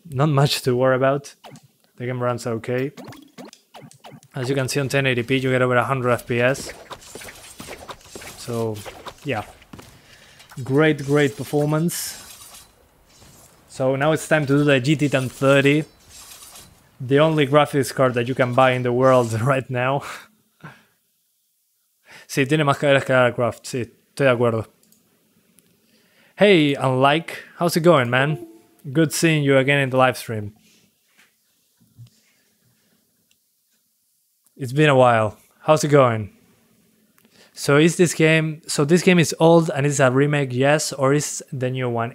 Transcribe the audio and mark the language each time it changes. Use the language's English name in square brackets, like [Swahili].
[English] Not much to worry about. The game runs okay. As you can see on 1080p, you get over 100 FPS. So, yeah, great performance. So now it's time to do the GT 1030, the only graphics card that you can buy in the world right now. [Spanish] Sí, tiene más caderas que Aircraft, sí, estoy de acuerdo. [English] Hey, Unlike, how's it going, man? Good seeing you again in the live stream. It's been a while. How's it going? So is this game, so this game is old and it's a remake, yes, or is the new one?